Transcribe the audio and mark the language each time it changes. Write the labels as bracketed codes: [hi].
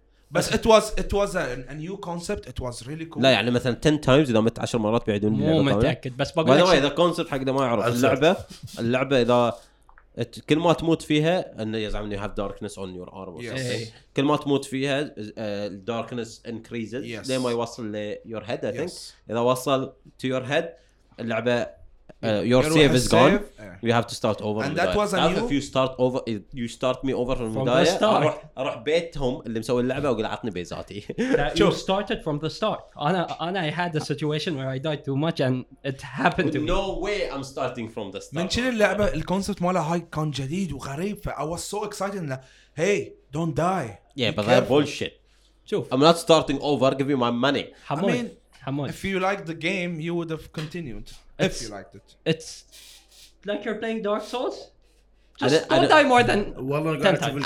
[en] بس it was a new concept it was really cool [ar] لا يعني مثلا [en] 10 times [ar] اذا مت 10 مرات بيعيدون مو متاكد بس بقول لك اذا concept حق ده ما يعرف اللعبه اذا كل ما تموت فيها انه يزعم انه [en] you have darkness on your armor yes. [ar] كل ما تموت فيها [en] darkness increases [ar] لين ما يوصل ل [en] your head I think [ar] اذا وصل [en] to your head [ar] اللعبه [en] Your save is gone. Yeah. You have to start over. And that was a new. If you start over, you start me over from the start. [ar] أروح بيتهم اللي مسوي اللعبة وقل عطني بيزاتي. [en] You started from the start. I had a situation where I died too much and it happened to me. No way, I'm starting from the start. [ar] من شين اللعبة الكونسبت مالها هاي كان جديد وغريب. [en] I was so excited like, hey, don't die. Yeah, but that's bullshit. I'm not starting over. Give me my money. I mean, if you liked the game, you would have continued. If you liked it. It's like you're playing Dark Souls. Just don't die more than 10 times.